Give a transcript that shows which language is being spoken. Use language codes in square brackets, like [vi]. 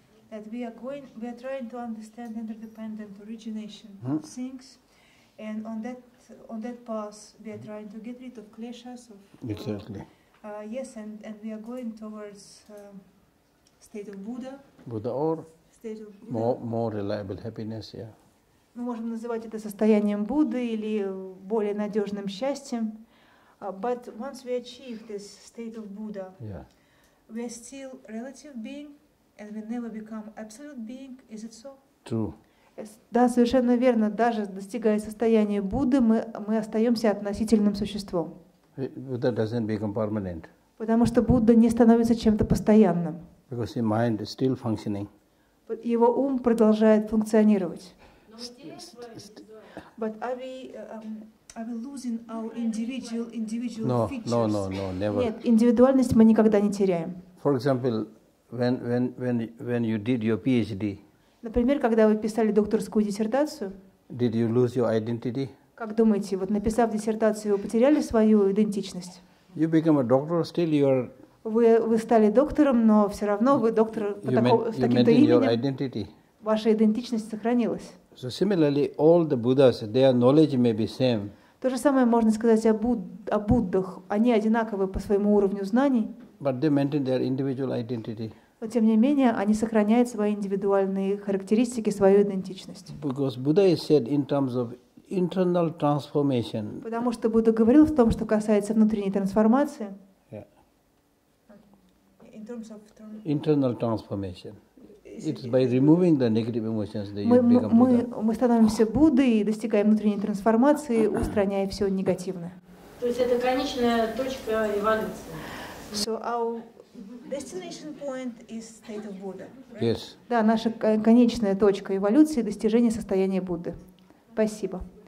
[en] That we are trying to understand interdependent origination of things, and on that path we are trying to get rid of kleshas of exactly. And we are going towards state of Buddha. Buddha or more reliable happiness, yeah. [ru] Мы можем называть это состоянием Будды или более надежным счастьем. [en] But once we achieve this state of Buddha, yeah. We are still relative being and we never become absolute being. Is it so? True. [ru] Да, совершенно верно. Даже достигая состояния Будды, мы остаемся относительным существом. [en] Buddha doesn't become permanent. [ru] Потому что Будда не становится чем-то постоянным. [en] Because his mind is still functioning. [ru] Его ум продолжает функционировать. [en] But are we losing our individual features? No, never. [ru] Нет, индивидуальность мы никогда не теряем. [en] For example, when you did your PhD. [ru] Например, когда вы писали докторскую диссертацию. [en] Did you lose your identity? [ru] Как думаете, вот написав диссертацию, вы потеряли свою идентичность? [en] You become a doctor, still you are. [ru] Вы стали доктором, но все равно вы доктор с таким-то именем. [en] You maintain your identity. [ru] Ваша идентичность сохранилась. [en] So similarly, all the Buddhas, their knowledge may be same. [ru] То же самое можно сказать о Буддах. Они одинаковы по своему уровню знаний. [en] But they maintain their individual identity. [ru] Но тем не менее они сохраняют свои индивидуальные характеристики, свою идентичность. [en] Because Buddha is said in terms of internal transformation. [ru] Потому что Будда говорил в том, что касается внутренней трансформации. [en] Yeah. In terms of internal transformation. It's by removing the negative emotions that you become Buddha. [ru] Мы становимся Буддой и достигаем внутренней трансформации, устраняя все негативное. То есть это конечная точка эволюции. [en] So our destination point is state of Buddha. Right? Yes. [ru] Да, наша конечная точка эволюции — достижение состояния Будды. Спасибо.